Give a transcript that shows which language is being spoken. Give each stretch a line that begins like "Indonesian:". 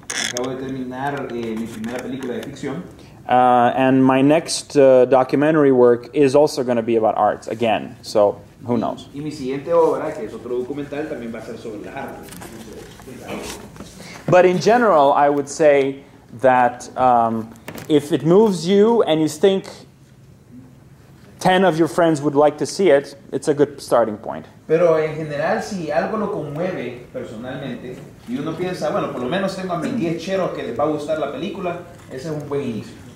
Spanish: Acabo de terminar mi primera película de ficción.
English: And my next documentary work is also going to be about arts again. So. Who knows?
Spanish: Y mi siguiente obra, que es otro documental, también va a ser sobre las artes.
English: But in general, I would say that if it moves you and you think 10 of your friends would like to see it, it's a good starting point.
Spanish: Pero en general, si algo lo conmueve personalmente, y uno piensa, bueno, por lo menos tengo a mis 10 cheros que les va a gustar la película, ese es un buen inicio.